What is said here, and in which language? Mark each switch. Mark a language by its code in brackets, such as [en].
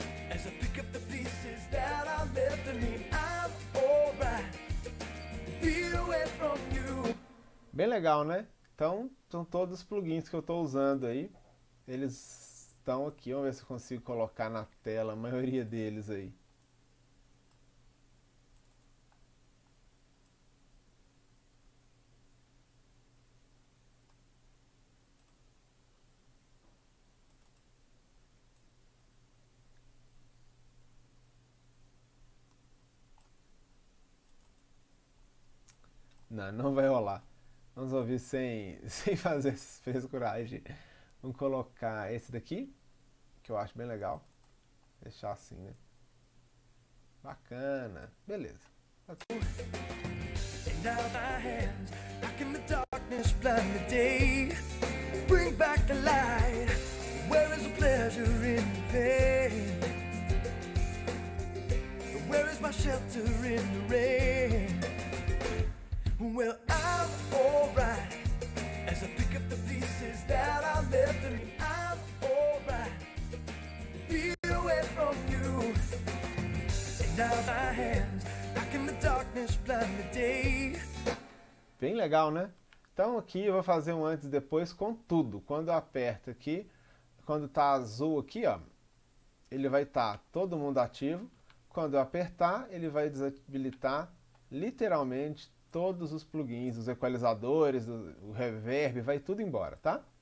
[en] As I pick up the pieces that I left in me, I'm alright. Feet away from you. [pt] Bem legal, né? Então, são todos os plugins que eu estou usando aí. Eles estão aqui. Vamos ver se eu consigo colocar na tela a maioria deles aí. Não, não vai rolar. Vamos ouvir sem fazer essas coragem. Vamos colocar esse daqui, que eu acho bem legal. Deixar assim, né? Bacana. Beleza. [en] And now my hands back in the darkness, blind the day. Bring back the light. Where is the pleasure in the pain? Where is my shelter in the rain? Well, I'm alright. As I pick up the pieces that I left in me, I'm alright. Feet away from you. And now my hands back in the darkness, blind the day. [pt] Bem legal, né? Então aqui eu vou fazer um antes e depois com tudo. Quando eu aperto aqui, quando tá azul aqui, ó, ele vai estar todo mundo ativo. Quando eu apertar, ele vai desabilitar literalmente todos os plugins, os equalizadores, o reverb, vai tudo embora, tá?